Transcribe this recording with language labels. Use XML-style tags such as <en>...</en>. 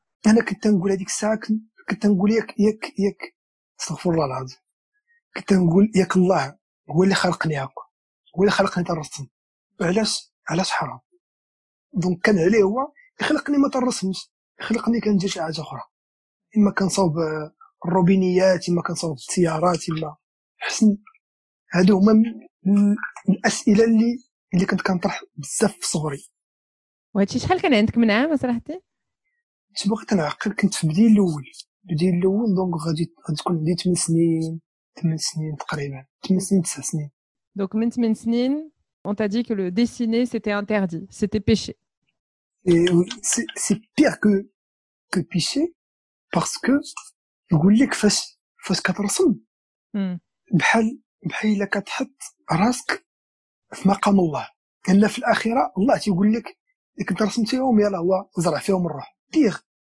<ar>انا كنت نقول هذيك الساعه كنت نقول ياك استغفر الله العظيم كنت نقول ياك الله هو اللي خلقني هكا هو اللي خلقني ترسم علاش حرام دونك كان عليه هو يخلقني ما ترسمش يخلقني كندير شي حاجه اخرى اما كنصاوب الروبينيات اما كنصاوب السيارات اما حسن هادو هما الاسئله اللي كنت كنطرح بزاف في صغري. وهادشي شحال كان عندك من عام صراحتي؟ وقت نعقل كنت في بديل الأول دونك غادي تكون عندي 8 سنين تقريبا 8 سنين 9 سنين. دونك من 8 سنين</ar> <fr>on t'a dit que le dessiner c'était interdit, c'était péché. C'est pire que péché parce que</fr> <ar>يقول لك فاش كترسم بحال الا كتحط راسك في مقام الله الا في الاخره الله تيقول لك كنت رسمتيهم يلا هو زرع فيهم الروح بيغ.</ar>